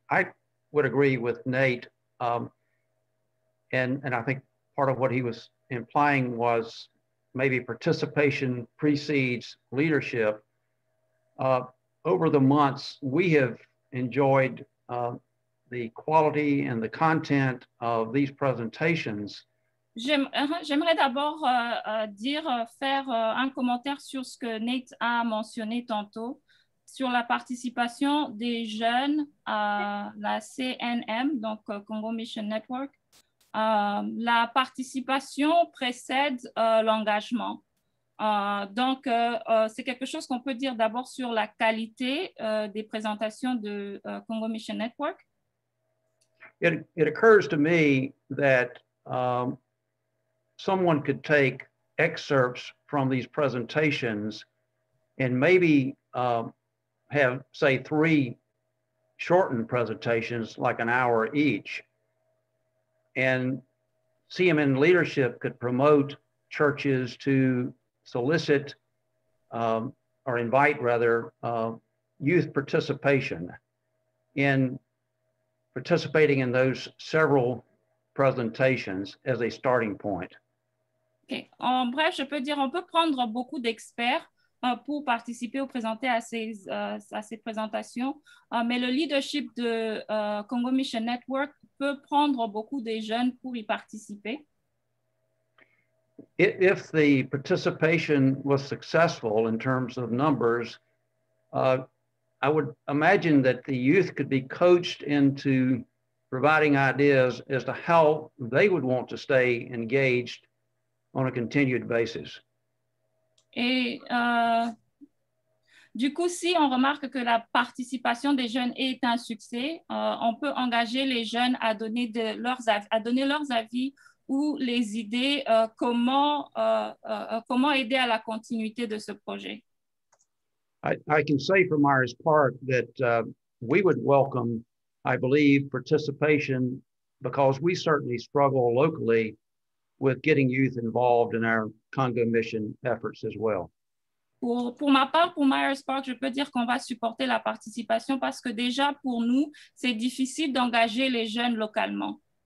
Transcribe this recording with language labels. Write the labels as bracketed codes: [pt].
[en] I would agree with Nate. And I think part of what he was implying was maybe participation precedes leadership. Over the months, we have enjoyed the quality and the content of these presentations. [fr] J'aimerais d'abord faire un commentaire sur ce que Nate a mentionné tantôt sur la participation des jeunes à la CNM, donc Congo Mission Network. La participation précède l'engagement. Donc, c'est quelque chose qu'on peut dire d'abord sur la qualité des présentations de Congo Mission Network. [en] It occurs to me that someone could take excerpts from these presentations and maybe have, say, three shortened presentations, like an hour each. And CMN leadership could promote churches to solicit or invite, rather, youth participation in participating in those several presentations as a starting point. Okay. [fr] En bref, je peux dire, on peut prendre beaucoup d'experts pour participer ou présenter à ces présentations, mais le leadership de Congo Mission Network peut prendre beaucoup des jeunes pour y participer. [en] If the participation was successful in terms of numbers, I would imagine that the youth could be coached into providing ideas as to how they would want to stay engaged on a continued basis. [fr] Et du coup, si on remarque que la participation des jeunes est un succès, on peut engager les jeunes à donner leurs avis ou les idées comment aider à la continuité de ce projet. [en] I can say for Myra's part that we would welcome, I believe, participation because we certainly struggle locally with getting youth involved in our Congo mission efforts as well. [fr] Pour ma part, pour Myra's part, je peux dire qu'on va supporter la participation parce que déjà pour nous, c'est difficile d'engager les jeunes localement.